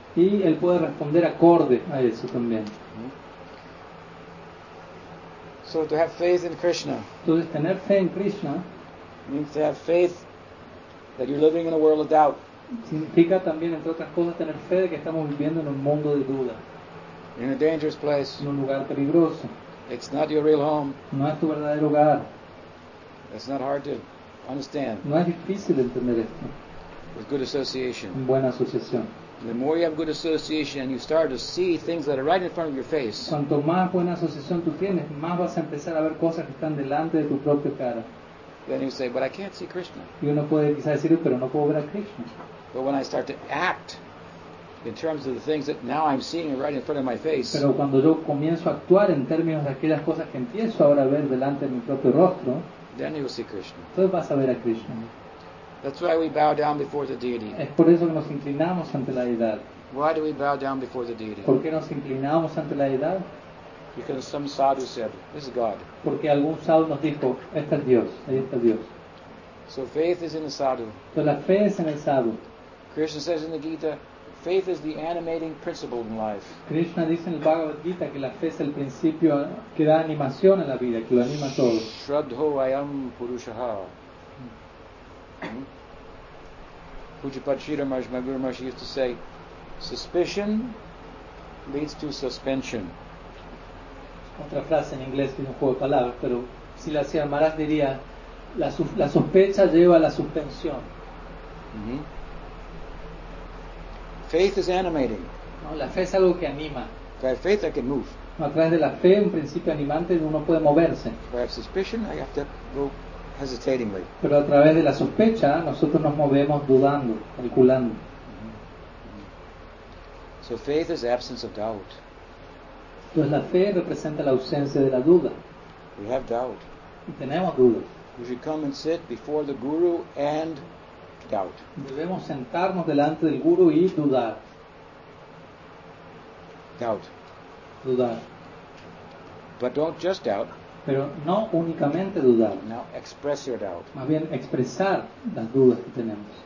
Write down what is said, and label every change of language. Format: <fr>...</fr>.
<es>Y él puede responder acorde a eso también.</es> <en>So to have faith in Krishna.</en> <es>Entonces tener fe en Krishna</es> <en>means to have faith that you're living in a world of doubt.</en> <es>Significa también, entre otras cosas, tener fe de que estamos viviendo en un mundo de duda.</es> <en>In a dangerous place.</en> <es>En un lugar peligroso.</es> <en>It's not your real home.</en> <es>No es tu verdadero hogar.</es> <en>It's not hard to understand.</en> <es>No es difícil entender esto.</es> <en>With good association.</en> <es>En buena asociación.</es> <en>The more you have good association and you start to see things that are right in front of your face.</en> <es>Cuanto más buena asociación tú tienes, más vas a empezar a ver cosas que están delante de tu propia cara.</es> <en>Then you say, but I can't see Krishna.</en> <es>Y uno puede quizás decir, pero no puedo ver a Krishna.</es> <en>But when I start to act in terms of the things that now I'm seeing right in front of my face.</en> <es>Pero cuando yo comienzo a actuar en términos de aquellas cosas que empiezo ahora a ver delante de mi propio rostro.</es> <en>Then you see Krishna.</en> <es>Entonces vas a ver a Krishna.</es> <en>That's why we bow down before the deity.</en> <es>Es por eso que nos inclinamos ante la deidad.</es> <en>Why do we bow down before the deity?</en> <es>¿Por qué nos inclinamos ante la deidad?</es> <en>Because some sadhu said, "This is God."</en> <es>Porque algún sadhu nos dijo, "Este es Dios, ahí está Dios."</es> <en>So faith is in the sadhu.</en> <es>Entonces la fe es en el sadhu.</es> <en>Krishna says in the Gita, "Faith is the animating principle in life."</en> <es>Krishna dice en el Bhagavad Gita que la fe es el principio que da animación a la vida, que lo anima todo.</es> <sa>Shraddho ayam purushah.</sa> <en>Pujapachira Mahaguru Maharshi used to say, suspicion leads to suspension.</en> <es>Otra frase en inglés que es un juego de palabras, pero si la hacía Maharaj diría, la sospecha lleva a la suspensión.</es> <en>Faith is animating.</en> <es>No, la fe es algo que anima.</es> <en>By faith I can move.</en> <es>No, a través de la fe, un principio animante, uno puede moverse.</es> <en>By suspicion I have to go hesitatingly.</en> <es>Pero a través de la sospecha nosotros nos movemos dudando, calculando.</es> <en>So faith is absence of doubt.</en> <es>Entonces la fe representa la ausencia de la duda.</es> <en>We have doubt.</en> <es>tenemos dudas.</es> <en>We should come and sit before the guru and doubt.</en> <es>Debemos sentarnos delante del guru y dudar.</es> <en>Doubt.</en> <es>Dudar.</es> <en>But don't just doubt.</en> <es>Pero no únicamente dudar.</es> <en>Now express your doubt.</en> <es>Más bien expresar las dudas que tenemos.</es>